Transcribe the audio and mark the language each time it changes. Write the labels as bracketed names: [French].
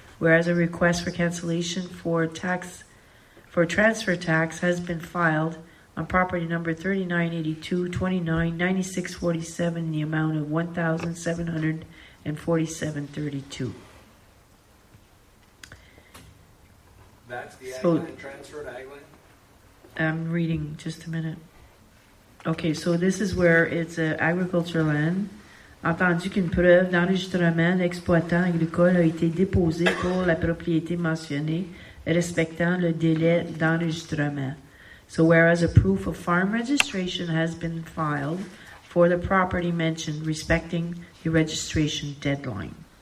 [English] Whereas a request for cancellation for transfer tax has been filed on property number 3982-29-96-47 in the amount of $1,747.32. That's the Aglin transfer to Aglin? I'm reading, just a minute. Okay, so this is where it's agriculture land. [French] Entendu qu'une preuve d'enregistrement d'exploitant agricole a été déposée pour la propriété mentionnée respectant le délai d'enregistrement. [English] So, whereas a proof of farm registration has been filed for the property mentioned respecting the registration deadline.